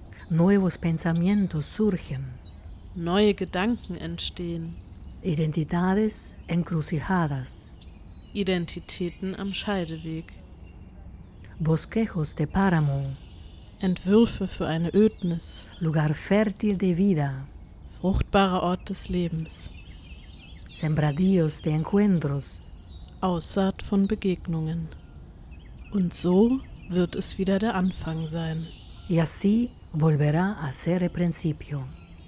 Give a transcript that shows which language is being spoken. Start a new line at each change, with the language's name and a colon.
Spanish: Nuevos pensamientos surgen.
German: Neue Gedanken entstehen.
Spanish: Identidades encrucijadas.
German: Identitäten am Scheideweg.
Spanish: Bosquejos de páramo.
German: Entwürfe für eine Ödnis.
Spanish: Lugar fértil de vida.
German: Fruchtbarer Ort des Lebens.
Spanish: Sembradíos de encuentros.
German: Aussaat von Begegnungen. Und so wird es wieder der Anfang sein.
Spanish: Y así volverá a ser el principio.